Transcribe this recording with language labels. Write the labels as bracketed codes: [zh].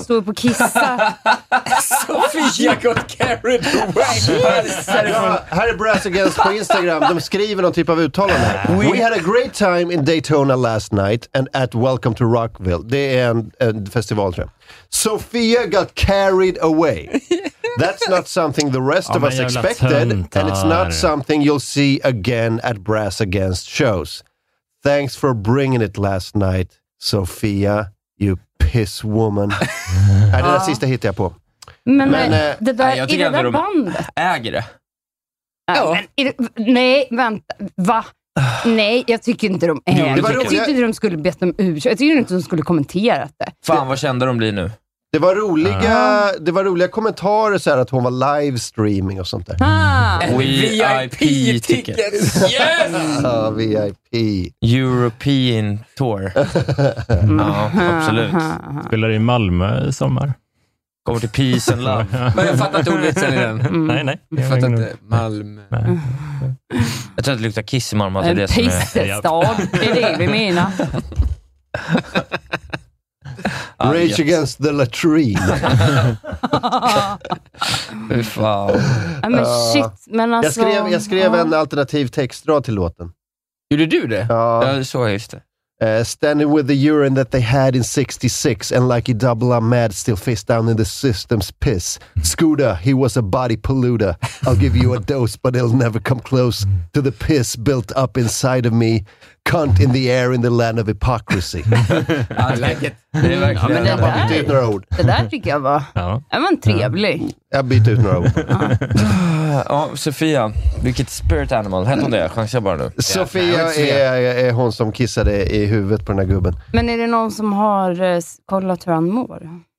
[sv] Stå upp och kissa. [en] Sofia got carried away. [sv] Här är Brass Against på Instagram. De skriver någon typ av uttalande. [en] We had a great time in Daytona last night and at Welcome to Rockville. [sv] Det är en festival, tror jag. [en] Sofia got carried away. That's not something the rest of us expected. [sv] Töntar. [en] And it's not something you'll see again at Brass Against shows. Thanks for bringing it last night, Sofia, you piss woman. [sv] Ja, det där sista hittade jag på. Men det där, nej, är det där bandet? Äger det? Nej, vänta. Va? Nej, jag tycker inte de äger. Jag tyckte inte de skulle bett om ursäkt. Jag tycker inte de skulle kommentera det. Fan, vad kända de blir nu. Det var roliga, det var roliga kommentarer så här, att hon var livestreaming och sånt där. [en] VIP-tickets. Yes! VIP. European tour. [sv] Ja, absolut. Spelar i Malmö i sommar. Kommer till peace and love. Men jag fattar inte ordvitsen i den. Nej. Jag fattar inte. Malmö. Jag tror att det luktar kiss i Malmö. En pissestad. Det är det vi menar. Rage Against the Latrine. Hur fan. Men shit, men alltså, jag skrev en alternativ textrad till låten. Gjorde du det? Ja, så är det. [en] Standing with the urine that they had in 66 and like he double up mad still face down in the system's piss. Scooter, he was a body polluter. I'll give you a dose but it'll never come close to the piss built up inside of me. Cunt in the air in the land of hypocrisy. I like it. [sv] Ja, men jag bytte ut några ord. Det där tycker jag var, ja. Var trevlig. Jag bytte ut några ord. Ja. Ja, Sofia, vilket spirit animal. Hette hon det? Chansar bara nu. Sofia är hon som kissade i huvudet på den här gubben. Men är det någon som har kollat hur han mår?